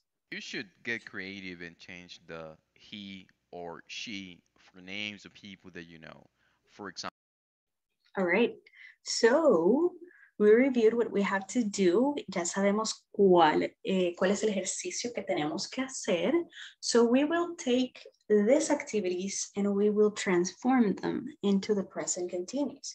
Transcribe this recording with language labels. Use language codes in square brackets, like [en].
[en] You should get creative and change the he or she for names of people that you know. For example. All right. So we reviewed what we have to do. [es] Ya sabemos cuál es el ejercicio que tenemos que hacer. [en] So we will take these activities and we will transform them into the present continuous.